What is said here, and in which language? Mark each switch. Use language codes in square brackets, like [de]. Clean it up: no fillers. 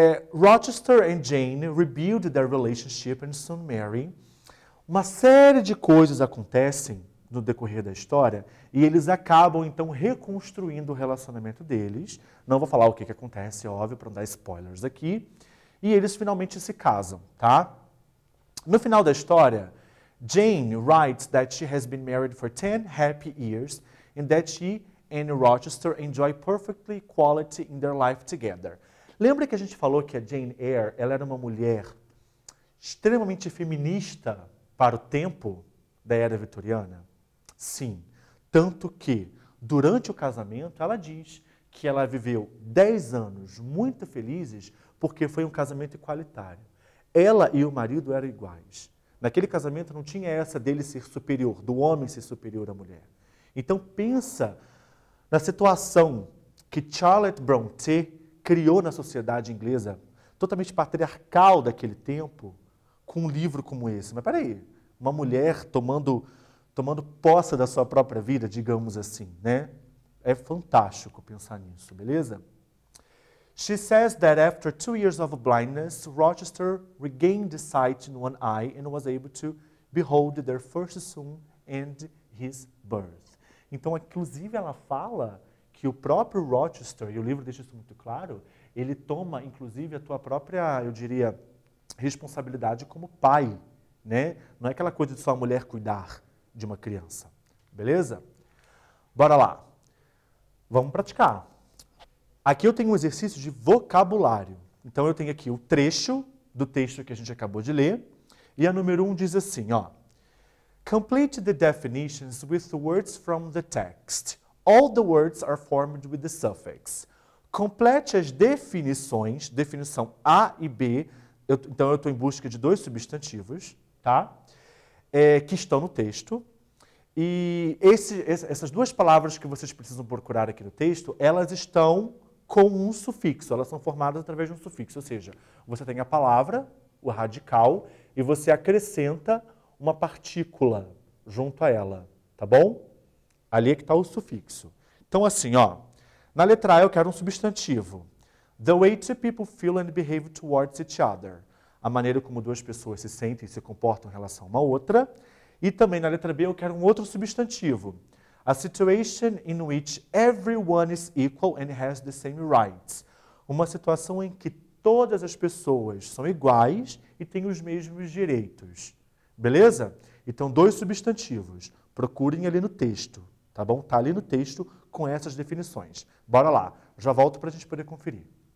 [en] Rochester and Jane rebuild their relationship and soon marry. [pt] Uma série de coisas acontecem no decorrer da história, e eles acabam então reconstruindo o relacionamento deles. Não vou falar o que, que acontece, óbvio, para não dar spoilers aqui. E eles finalmente se casam, tá? No final da história, [en] Jane writes that she has been married for 10 happy years and that she and Rochester enjoy perfectly quality in their life together. [pt] Lembra que a gente falou que a Jane Eyre, ela era uma mulher extremamente feminista para o tempo da era vitoriana? Sim. Tanto que, durante o casamento, ela diz que ela viveu 10 anos muito felizes porque foi um casamento igualitário. Ela e o marido eram iguais. Naquele casamento não tinha essa dele ser superior, do homem ser superior à mulher. Então, pensa na situação que Charlotte Brontë criou na sociedade inglesa, totalmente patriarcal daquele tempo, com um livro como esse. Mas peraí, uma mulher tomando posse da sua própria vida, digamos assim, né? É fantástico pensar nisso, beleza? [en] She says that after 2 years of blindness, Rochester regained sight in one eye and was able to behold their first son and his birth. [pt] Então, inclusive, ela fala que o próprio Rochester, e o livro deixa isso muito claro, ele toma, inclusive, a tua própria, eu diria, responsabilidade como pai, né? Não é aquela coisa de só a mulher cuidar de uma criança. Beleza? Bora lá. Vamos praticar. Aqui eu tenho um exercício de vocabulário. Então, eu tenho aqui o trecho do texto que a gente acabou de ler. E a número 1 diz assim, ó. [en] Complete the definitions with the words from the text. All the words are formed with the suffix. [pt] Complete as definições, definição A e B. Então, eu estou em busca de dois substantivos, tá? Que estão no texto. E essas duas palavras que vocês precisam procurar aqui no texto, elas estão com um sufixo. Elas são formadas através de um sufixo. Ou seja, você tem a palavra, o radical, e você acrescenta uma partícula junto a ela, tá bom? Ali é que está o sufixo. Então, assim, ó, na letra A eu quero um substantivo. [en] The way two people feel and behave towards each other. [pt] A maneira como duas pessoas se sentem e se comportam em relação a uma outra. E também na letra B eu quero um outro substantivo. [en] A situation in which everyone is equal and has the same rights. [pt] Uma situação em que todas as pessoas são iguais e têm os mesmos direitos. Beleza? Então, dois substantivos. Procurem ali no texto, tá bom? Tá ali no texto com essas definições. Bora lá. Já volto para a gente poder conferir.